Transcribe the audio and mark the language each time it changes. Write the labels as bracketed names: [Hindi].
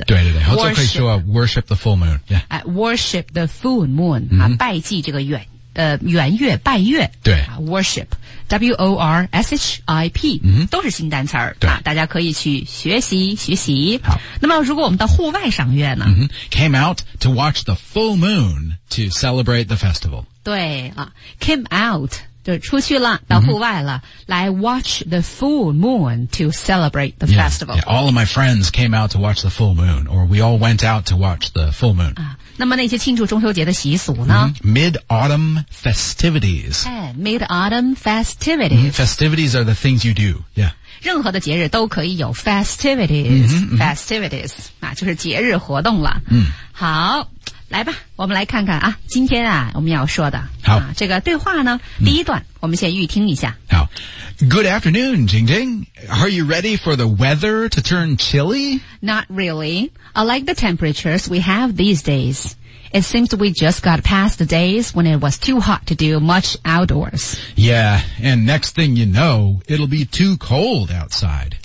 [English] Yeah. [Chinese] 对对对，后头可以说、啊、 [English] worship the full moon、yeah. 啊。worship the full moon、 mm-hmm. [Chinese] 啊，拜祭这个圆月拜月。对、 [English] 啊、，worship，W-O-R-S-H-I-P，、 mm-hmm. [Chinese] 都是新单词儿。对、啊，大家可以去学习学习。好，那么如果我们到户外赏月呢、 mm-hmm. [English] ？Came out to watch the full moon to celebrate the festival [Chinese] 对。对啊 ， [English] came out。 [Chinese] 就是出去了到户外了、mm-hmm. [English] 来 watch the full moon to celebrate the yeah, festival. Yeah, all of my friends came out to watch the full moon, or we all went out to watch the full moon.、 [Chinese] 啊、那么那些庆祝中秋节的习俗呢、 [English] mm-hmm. Mid-autumn festivities.、哎、mid-autumn festivities.、 Mm-hmm. Festivities are the things you do. Yeah. [Chinese] 任何的节日都可以有 festivities. Mm-hmm, mm-hmm. Festivities.、啊、就是节日活动了。嗯、 mm. 好。来吧，我们来看看啊，今天啊，我们要说的好、啊、这个对话呢，第一段、嗯、我们先预听一下。 [English] 好 ，Good afternoon, Jing Jing. Are you ready for the weather to turn chilly? Not really. I like the temperatures we have these days. It seems we just got past the days when it was too hot to do much outdoors. Yeah, and next thing you know, it'll be too cold outside.